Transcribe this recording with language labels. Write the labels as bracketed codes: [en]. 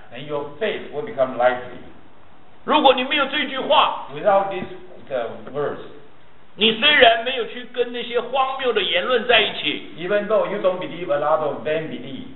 [en] And your faith will become lively [zh] 如果你没有这句话 [en] Without this verse [zh] 你虽然没有去跟那些荒谬的言论在一起 [en] Even though you don't believe a lot of vain belief